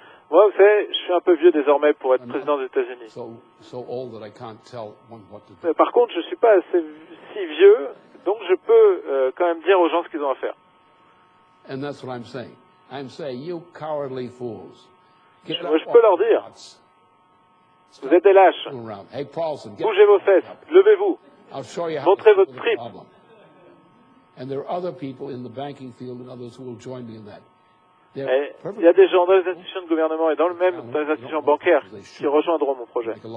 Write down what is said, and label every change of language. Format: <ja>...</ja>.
<fr>Moi, vous savez, je suis un peu vieux désormais pour être président des États-Unis. Mais par contre, je ne suis pas assez si vieux, donc je peux quand même dire aux gens ce qu'ils ont à faire.</fr> <en>And that's what I'm saying. I'm saying, you cowardly fools.</en> <fr>Je peux leur dire, vous êtes des lâches.</fr> <en>Hey, Paulson,</en> <fr>bougez vos fesses, levez-vous, montrez votre trip.</fr> <en>And there are other people in the banking field and others who will join me in that.</en> <fr>Et il y a des gens dans les institutions de gouvernement et dans les institutions bancaires qui rejoindront mon projet.</fr>